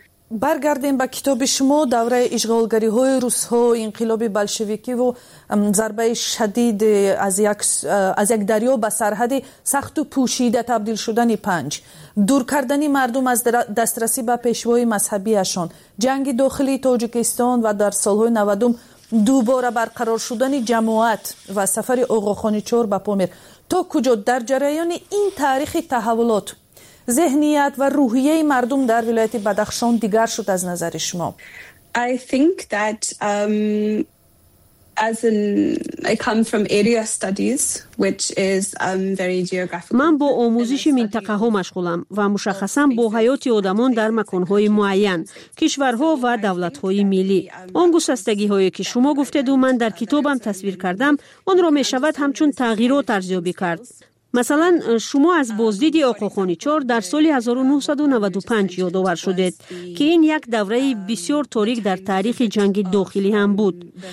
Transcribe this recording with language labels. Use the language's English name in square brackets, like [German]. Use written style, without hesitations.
[Persian] برگردیم به کتاب شما، دوره اشغالگری های روس ها، انقلاب بلشویکی و ضربه شدید از یک دریا به سرحد سخت و پوشیده تبدیل شدن پنج، دور کردن مردم از دسترسی به پیشوای مذهبی اشان، جنگ داخلی تاجیکستان و در سالهای 90 دوباره برقرار شدن جماعت و سفر آقاخانی چور به پامیر، تا کجا در جریان این تاریخ تحولات ذهنیت و روحیه مردم در ولایت بدخشان دیگر شد از نظر شما؟ [English] I think that I come from area studies, which is very geographical. [Persian] من با آموزش منطقه ها مشغولم و مشخصا با حیات آدمان در مکان های معین، کشورها و دولت های ملی. اون گسستگی هایی که شما گفتید و من در کتابم تصویر کردم، اون رو می شود همچون تغییرات ارزیابی کرد. مثلا شما از بازدید آقاخانی چور در سال 1995 یادآور شدید که این یک دوره بسیار تاریک در تاریخ جنگ داخلی هم بود.